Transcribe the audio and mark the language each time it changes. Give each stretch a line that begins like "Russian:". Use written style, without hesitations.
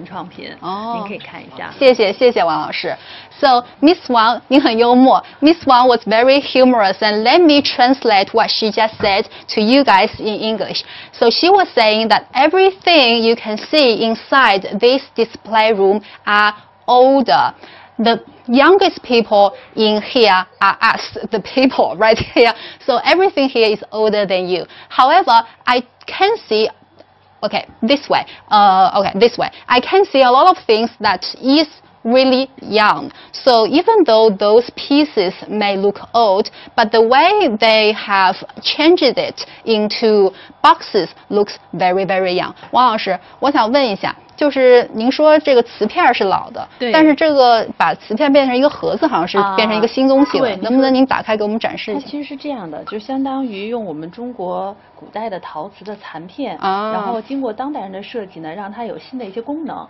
Chinese: 那您就是您先忙着，简单介绍也可以，您可以介绍一下。对，您现在见到这个房子里边，可能在门口您就会发现有很多古陶瓷的碎片。然后这个屋子里边，您看到的所有宝贝，除了咱们人是比较年轻的，还有其他的物件都是老的，都是中国古代那个陶瓷的碎片在做的一些文创品。您可以看一下。谢谢，谢谢王老师。 So, Miss Wang, 你很幽默。
English: Miss Wang was very humorous, and let me translate what she just said to you guys in English. So she was saying that everything you can see inside this display room are older. The youngest people in here are us, the people right here. So everything here is older than you. However, I can see, this way. I can see a lot of things that is really young. So even though those pieces may look old, but the way they have changed it into boxes looks very, very young.
Chinese: 王老师，我想问一下，就是您说这个瓷片是老的，对，但是这个把瓷片变成一个盒子好像是变成一个新东西了、啊、对，能不能您打开给我们展示一下。它其实是这样的，就相当于用我们中国古代的陶瓷的残片、啊、然后经过当代人的设计呢，让它有新的一些功能、